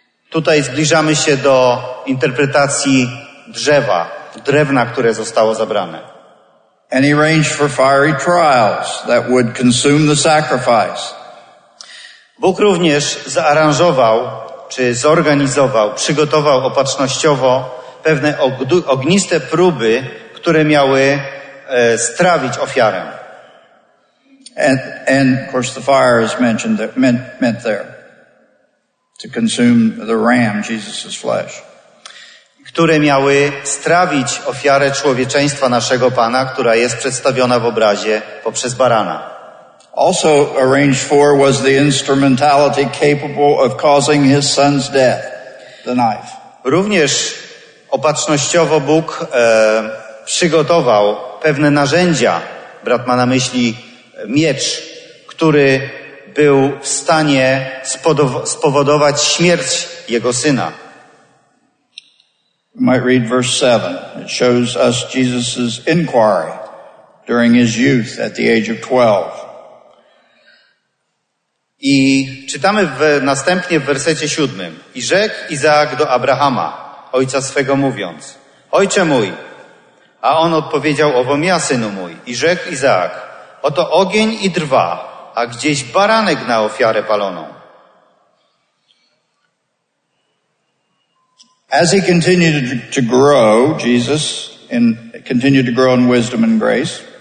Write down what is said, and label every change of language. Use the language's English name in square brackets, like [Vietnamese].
[Polish] Tutaj zbliżamy się do interpretacji drewna, które zostało zabrane. [English] And he arranged for fiery trials that would consume the sacrifice. [Polish] Bóg również zaaranżował, czy zorganizował, przygotował opatrznościowo pewne ogniste próby, które miały strawić ofiarę. [English] And of course the fire is mentioned that meant there to consume the ram, Jesus' flesh. [Polish] Które miały strawić ofiarę człowieczeństwa naszego Pana, która jest przedstawiona w obrazie poprzez barana. [English] Also arranged for was the instrumentality capable of causing his son's death, the knife. [Polish] Również opatrznościowo Bóg przygotował pewne narzędzia, brat ma na myśli miecz, który był w stanie spowodować śmierć jego syna. [English] We might read verse 7. It shows us Jesus's inquiry during his youth at the age of 12. [Polish] I czytamy następnie w wersecie 7. I rzekł Izaak do Abrahama, ojca swego mówiąc: Ojcze mój. A on odpowiedział: Owo ja, synu mój. I rzekł Izaak: Oto ogień i drwa, a gdzieś baranek na ofiarę paloną. [English] As he continued to grow, Jesus continued to grow in wisdom and grace.